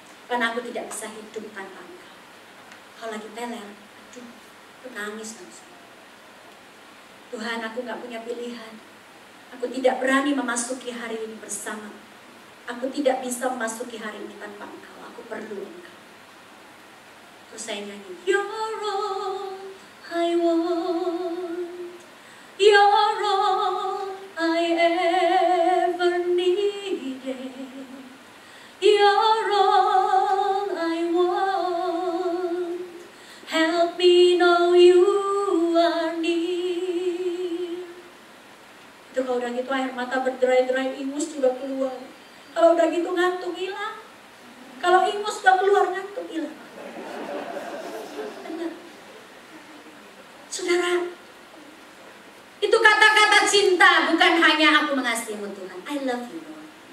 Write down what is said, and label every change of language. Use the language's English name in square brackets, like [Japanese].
[Indonesian] Karena aku tidak bisa hidup tanpa Engkau. Kalau lagi teler, aduh, aku nangis langsung. Tuhan, aku gak punya pilihan. Aku tidak berani memasuki hari ini bersama. Aku tidak bisa memasuki hari ini tanpa Engkau. Aku perlu Engkau. Terus saya nyanyi, [English] You're all I want, You're all I ever needed, You're all I want, help me know you are near. [Indonesian] Itu kalau udah gitu air mata berderai-derai, ingus juga keluar. Kalau udah gitu ngantuk hilang. Kalau ingus udah keluar ngantuk hilang. Benar. Saudara, itu kata-kata cinta, bukan hanya aku mengasihimu Tuhan. [English] I love you Lord.